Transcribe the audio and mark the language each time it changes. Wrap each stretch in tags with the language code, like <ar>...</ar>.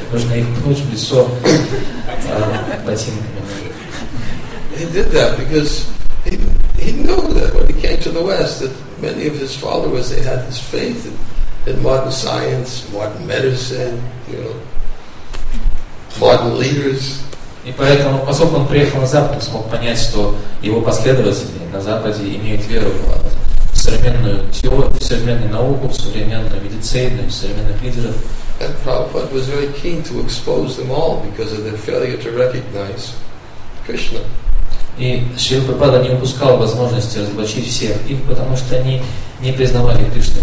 <ru>Нужно их пнуть в лицо ботинками.</ru> <en>He did that because he knew that when he came to the West, that many of his followers, they had this faith in modern science, modern medicine, you know, modern leaders.</en> <ru>И поэтому, поскольку он приехал на Запад, он смог понять, что его последователи на Западе имеют веру в современную теорию, в современную науку, в современную медицину, в современных лидеров.</ru> <en>And Prabhupada was very keen to expose them all because of their failure to recognize Krishna.</en> <ru>И Шрила Прабхупада не упускал возможности разоблачить всех их, потому что они не признавали Кришну</ru>